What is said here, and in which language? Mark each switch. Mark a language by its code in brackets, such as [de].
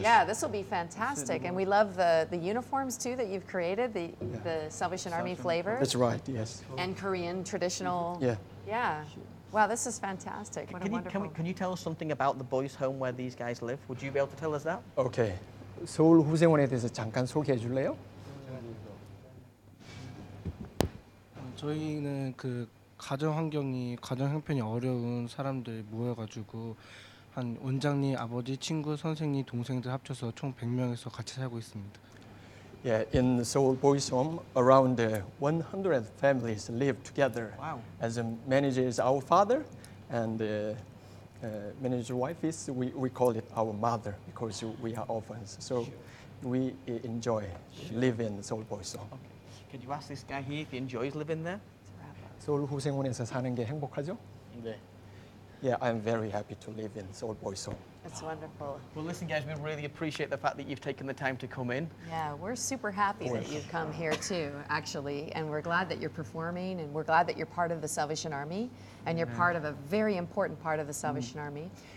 [en] Yeah, this will be fantastic. And we love the uniforms, too, that you've created, the Salvation Army flavor. That's right, yes. And Korean traditional. Yeah. Yeah. Wow, this is fantastic. What can a wonderful. Can you tell us something about the boys' home where these guys live? Would you be able to tell us that? Okay. [ko] 서울 후생원에 대해서 잠깐 소개해 줄래요? 저희는 그 가정 환경이 가정 형편이 어려운 사람들 모여가지고 한 원장님, 아버지, 친구, 선생님, 동생들 합쳐서 총 100명에서 같이 살고 있습니다. [en] Yeah, in Seoul Boys' Home, around 100 families live together. Wow. As a manager is our father, and manager's wife is we call it our mother because we are orphans. So sure. We enjoy live in Seoul Boys' Home. Okay. Could you ask this guy here if he enjoys living there? [ko] 서울 후생원에서 사는 게 행복하죠? 네. [en] Yeah, I'm very happy to live in Seoul Boys' Home. That's wonderful. Well, listen, guys, we really appreciate the fact that you've taken the time to come in. Yeah, we're super happy that you've come here, too, actually. And we're glad that you're performing, and we're glad that you're part of the Salvation Army, and you're part of a very important part of the Salvation Army.